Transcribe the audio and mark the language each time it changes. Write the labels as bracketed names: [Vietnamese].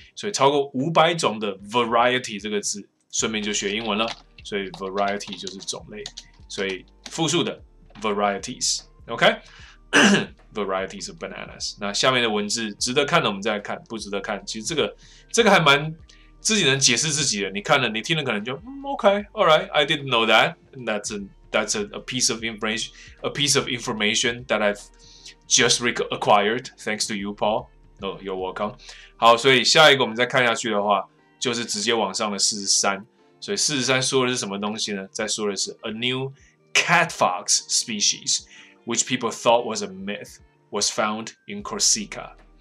[Chinese] 所以超过500种的 variety 这个字，顺便就学英文了。所以 variety 就是种类，所以复数的 varieties， OK， [English] varieties of bananas。 [Chinese] 那下面的文字值得看的，我们再来看；不值得看，其实这个还蛮自己能解释自己的。你看了，你听了，可能就OK， [English] all right， I didn't know that， that's a piece of information that I've just acquired thanks to you, Paul。 No, you're welcome。 [Chinese] 好，所以下一个我们再看下去的话，就是直接往上的43。所以43说的是什么东西呢？再说的是 [English] a new cat fox species, which people thought was a myth, was found in Corsica.